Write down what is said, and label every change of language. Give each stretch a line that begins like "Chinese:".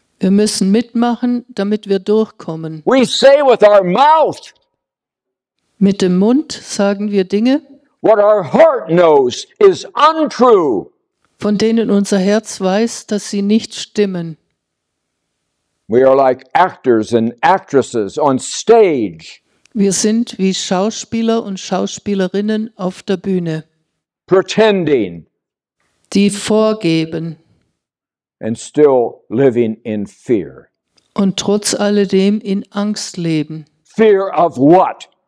German: Wir müssen mitmachen, damit wir durchkommen.
English: We say with our mouth,
German: mit dem Mund sagen wir Dinge,
English: what our heart knows is untrue,
German: von denen unser Herz weiß, dass sie nicht stimmen.
English: We are like actors and actresses on stage.
German: Wir sind wie Schauspieler und Schauspielerinnen auf der Bühne,
English: pretending,
German: die vorgeben.
English: And still living in fear.
German: Und trotz alledem in Angst leben.
English: Fear of what?